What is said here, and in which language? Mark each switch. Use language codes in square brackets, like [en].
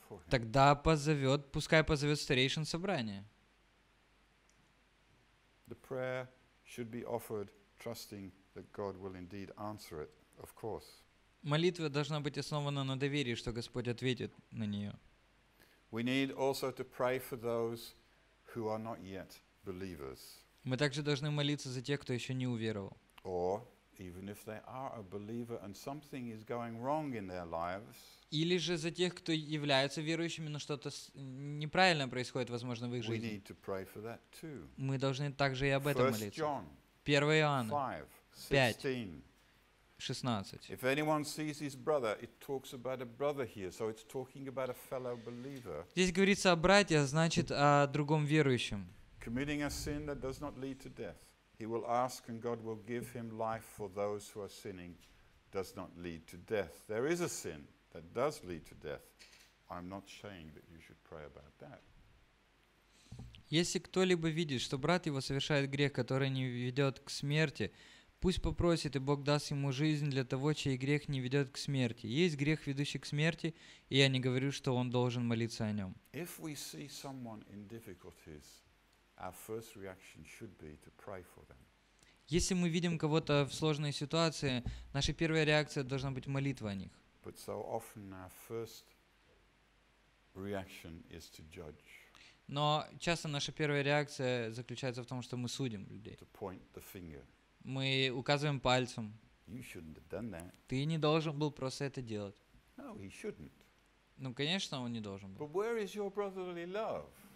[ru] Тогда позовет, пускай позовет старейшин собрания. [en] The prayer should be offered, trusting that God will indeed answer it, of course. [ru] Молитва должна быть основана на доверии, что Господь ответит на нее. [en] We need also to pray for those who are not yet believers. [ru] Мы также должны молиться за тех, кто еще не уверовал. [en] Or even if they are a believer and something is going wrong in their lives. [ru] Или же за тех, кто является верующими, но что-то неправильно происходит, возможно, в их жизни. [en] We need to pray for that too. [ru] Мы должны также и об этом молиться. 1 Иоанна 5:16. [en] If anyone sees his brother, it talks about a brother here, so it's talking about a fellow believer. [ru] Здесь говорится о брате, значит, о другом верующем. [en] Committing a sin that does not lead to death, he will ask and God will give him life for those who are sinning does not lead to death. There is a sin that does lead to death. I'm not saying that you should pray about that. [ru] Если кто-либо видит, что брат его совершает грех, который не ведет к смерти, пусть попросит, и Бог даст ему жизнь для того, чей грех не ведет к смерти. Есть грех, ведущий к смерти, и я не говорю, что он должен молиться о нем. [en] If we see someone in difficulties, our first reaction should be to pray for them. [ru] Если мы видим кого-то в сложной ситуации, наша первая реакция должна быть молитва о них. [en] But so often our first reaction is to judge. [ru] Но часто наша первая реакция заключается в том, что мы судим людей. [en] To point the finger. [ru] Мы указываем пальцем. [en] You shouldn't have done that. [ru] Ты не должен был просто это делать. [en] No, he shouldn't. [ru] Ну, конечно, он не должен был. [en] But where is your brotherly love?